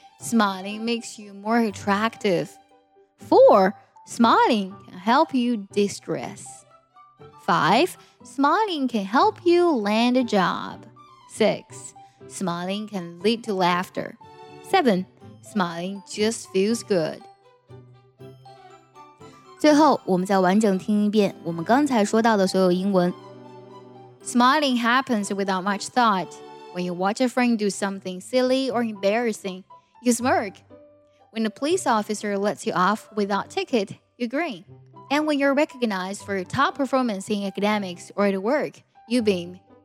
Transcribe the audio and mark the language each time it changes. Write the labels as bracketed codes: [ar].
[en] Smiling makes you more attractive. 4. Smiling can help you de-stress. 5. Smiling can help you land a job. 6. Smiling can lead to laughter. 7. Smiling just feels good. [zh] 最后我们再完整听一遍我们刚才说到的所有英文。 [en] Smiling happens without much thought. When you watch a friend do something silly or embarrassing, you smirk. When a police officer lets you off without ticket, you grin. And when you're recognized for top performance in academics or at work, you beam.